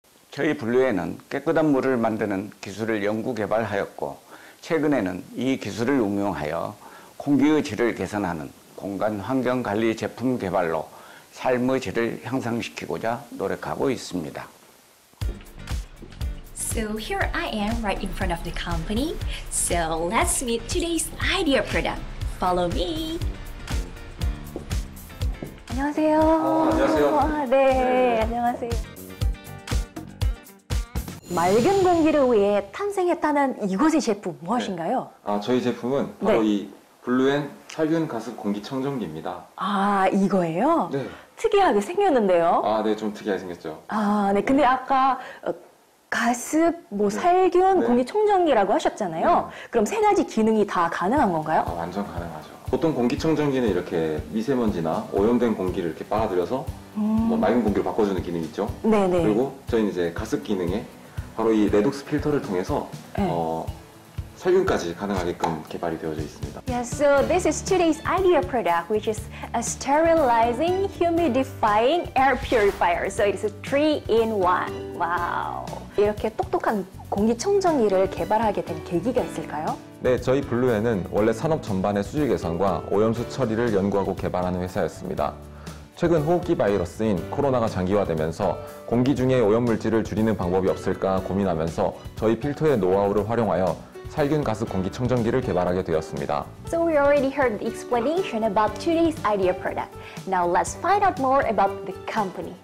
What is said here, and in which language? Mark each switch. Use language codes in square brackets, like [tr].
[ko] 저희 분류에는 깨끗한 물을 만드는 기술을 연구 개발하였고 최근에는 이 기술을 응용하여 공기의 질을 개선하는 공간 환경 관리 제품 개발로 삶의 질을 향상시키고자 노력하고 있습니다. [en] So here I am right in front of the company. So let's meet today's idea product. Follow me. [ko] 안녕하세요. 안녕하세요. 안녕하세요. 맑은 공기를 위해 탄생했다는 이곳의 제품 무엇인가요? 네. 아, 저희 제품은 바로 네. 이 블루엔 살균 가습 공기 청정기입니다. 아, 이거예요? 네. 특이하게 생겼는데요. 아, 네, 좀 특이하게 생겼죠. 아, 네. 근데 네. 아까 가습 뭐 네. 살균 네. 공기 청정기라고 하셨잖아요. 네. 그럼 세 가지 기능이 다 가능한 건가요? 아, 완전 가능하죠. 보통 공기 청정기는 이렇게 미세먼지나 오염된 공기를 이렇게 빨아들여서 뭐 맑은 공기로 바꿔 주는 기능이 있죠. 네, 네. 그리고 저희는 이제 가습 기능에 바로 이 레둑스 필터를 통해서 네. 살균까지 가능하게끔 개발이 되어져 있습니다. [en] Yes, yeah, so this is today's idea product, which is a sterilizing, humidifying air purifier. So it's a 3-in-1. Wow. [ko] 이렇게 똑똑한 공기청정기를 개발하게 된 계기가 있을까요? 네, 저희 블루엔은 원래 산업 전반의 수질 개선과 오염수 처리를 연구하고 개발하는 회사였습니다. 최근 호흡기 바이러스인 코로나가 장기화되면서 공기 중에 오염물질을 줄이는 방법이 없을까 고민하면서 저희 필터의 노하우를 활용하여 살균 가습 공기 청정기를 개발하게 되었습니다. [en] So we already heard the explanation about today's idea product. Now let's find out more about the company.